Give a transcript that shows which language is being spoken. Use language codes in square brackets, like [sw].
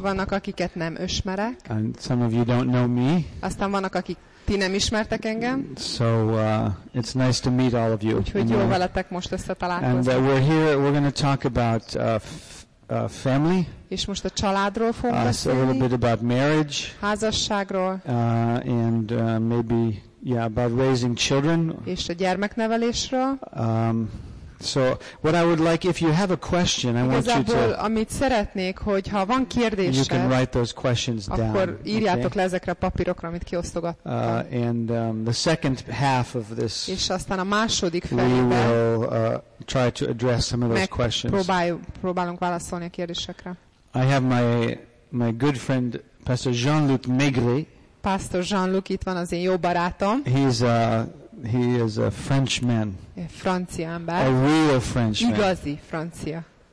[hu] Vannak, akiket nem ismerek. [en] And some of you don't know me. [hu] Aztán vannak, akik ti nem ismertek engem. [en] So it's nice to meet all of you. [hu] Úgyhogy jó veletek most összetalálkozni. [en] And we're here. We're going to talk about family. [hu] És most a családról fogunk beszélni. [en] A little bit about marriage. [hu] Házasságról. [en] And maybe. Yeah, about raising children. [hu] És a gyermeknevelésről. [en] So what I would like, if you have a question, I want you to. [hu] Igazából amit szeretnék, hogy ha van kérdésed, [en] you can write those questions down. [hu] Akkor írjátok le ezekre a papírokra, amit kiosztogattam. [en] The second half of this. [hu] És aztán a második felében. [en] We will try to address some of those questions. [hu] Próbálunk válaszolni a kérdésekre. [en] I have my good friend Pastor Jean-Luc Maigret. [hu] Pastor Jean-Luc itt van, az én jó barátom. [en] He is a French man. [hu] Francia ember. [en] A real French man. [hu] Igazi francia.